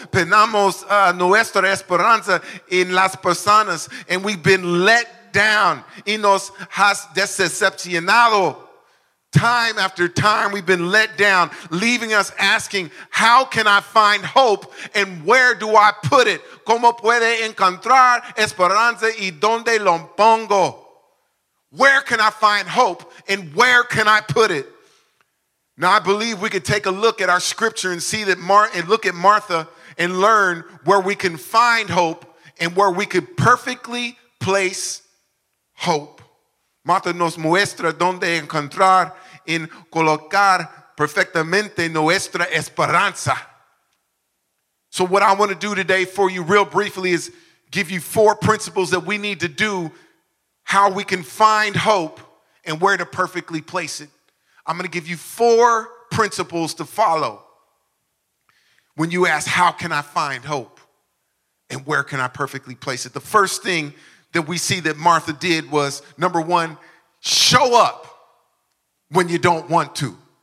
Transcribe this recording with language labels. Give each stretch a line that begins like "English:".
Spanish: Ponemos nuestra esperanza en las personas,
English: and we've been let down.
Spanish: Y nos has decepcionado.
English: Time after time, we've been let down, leaving us asking, how can I find hope and where do I put it?
Spanish: ¿Cómo puede encontrar esperanza y dónde lo pongo?
English: Where can I find hope and where can I put it? Now, I believe we could take a look at our scripture and see that look at Martha and learn where we can find hope and where we could perfectly place hope.
Spanish: Martha nos muestra donde encontrar en colocar perfectamente nuestra esperanza.
English: So what I want to do today for you real briefly is give you four principles that we need to do, how we can find hope and where to perfectly place it. I'm going to give you four principles to follow when you ask, how can I find hope and where can I perfectly place it? The first thing that we see that Martha did was, number one, show up when you don't want to.